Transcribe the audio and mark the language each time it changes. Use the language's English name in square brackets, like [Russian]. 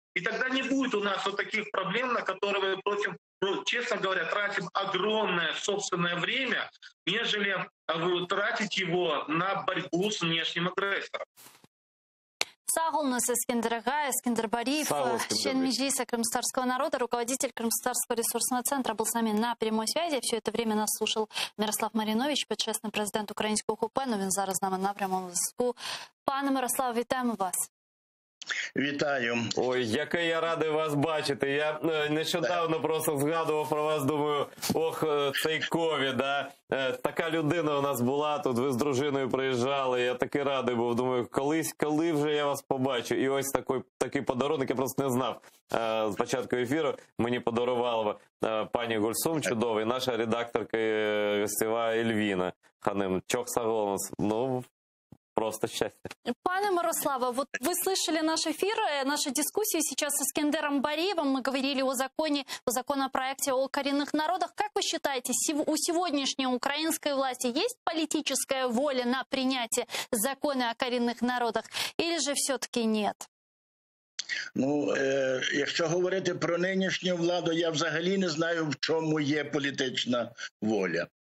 [Russian] И тогда не будет у нас вот таких проблем, на которые мы, против, ну, честно говоря, тратим огромное собственное время, нежели тратить его на борьбу с внешним агрессором. Сагулнус Ескендер Гай, Ескендер Бариев, член Меджлиса Крымстарского народа, руководитель Крымстарского ресурсного центра, был с нами на прямой связи. Все это время нас слушал Мирослав Маринович, почесний президент Украинского КПЕ. [Ukrainian] Ну, він зараз з нами на прямому зв'язку. Пане Мирославе, вітаємо вас. Вітаю. Ой, яка я радий вас бачити. Я нещодавно просто згадував про вас, думаю, ох, цей ковід, да? Така людина у нас була тут, ви з дружиною приїжджали, я такий радий був, думаю, коли вже я вас побачу. І ось такий подарунок, я просто не знав з початку ефіру, мені подарувала пані Гульсум чудовий, наша редакторка гостєва Ельвіна Ханим. [Crimean Tatar] Чох саголос, [Ukrainian] ну... Просто счастье. [Russian] Пане Мирославе, вот вы слышали наш эфир, нашу дискуссию сейчас с Искандером Бариевым. Мы говорили о законе, о законопроекте о коренных народах. Как вы считаете, у сегодняшней украинской власти есть политическая воля на принятие закона о коренных народах или же все-таки нет? [Ukrainian] Ну, якщо говорити про нинішню владу, я взагалі не знаю, в чому є політична воля.